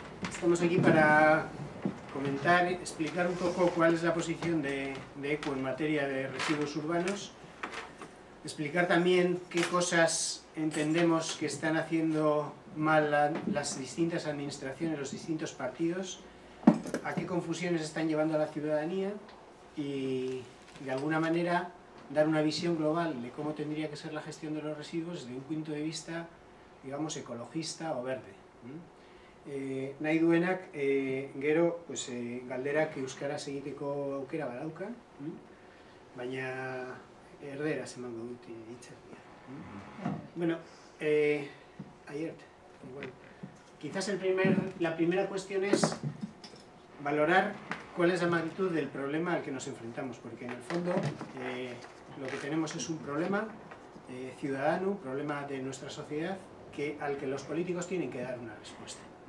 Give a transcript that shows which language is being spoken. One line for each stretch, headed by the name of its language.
Spanish: estamos aquí para comentar, explicar un poco cuál es la posición de ECO en materia de residuos urbanos, explicar también qué cosas entendemos que están haciendo mal las distintas administraciones, los distintos partidos, a qué confusiones están llevando a la ciudadanía y, de alguna manera, dar una visión global de cómo tendría que ser la gestión de los residuos desde un punto de vista, digamos, ecologista o verde.
Basque: Nahi duenak, gero, pues, galderak euskaraz egiteko aukera badauka, baina erderaz emango dut itxarria.
Spanish: Bueno, Aiert, igual. Quizás la primera cuestión es valorar cuál es la magnitud del problema al que nos enfrentamos, porque en el fondo lo que tenemos es un problema ciudadano, un problema de nuestra sociedad, que, al que los políticos tienen que dar una respuesta.